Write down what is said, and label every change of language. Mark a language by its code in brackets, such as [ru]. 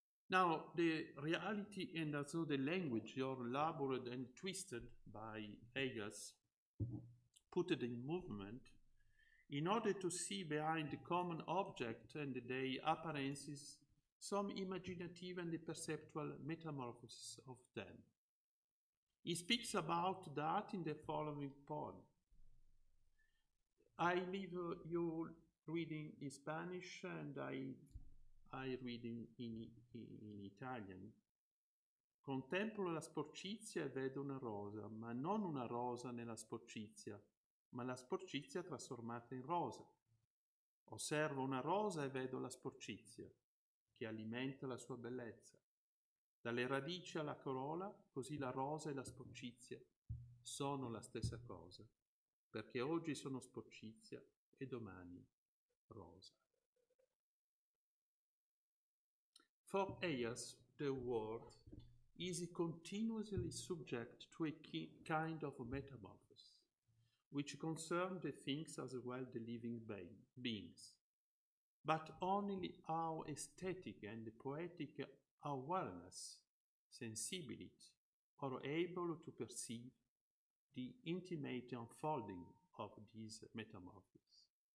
[en] Now, the reality and also the language are elaborated and twisted by Eielson, put it in movement, in order to see behind the common object and their appearances some imaginative and perceptual metamorphosis of them. He speaks about that in the following poem. I leave you reading in Spanish and I read in Italian. [it] Contemplo la sporcizia e vedo una rosa, ma non una rosa nella sporcizia, ma la sporcizia trasformata in rosa. Osservo una rosa e vedo la sporcizia, che alimenta la sua bellezza. Dalle radici alla corolla, così la rosa e la sporcizia sono la stessa cosa, perché oggi sono sporcizia e domani rosa. [en] For Eielson, the world is continuously subject to a kind of metamorphosis, which concerns the things as well the living beings, but only our aesthetic and poetic awareness, sensibility, are able to perceive the intimate unfolding of these metamorphosis.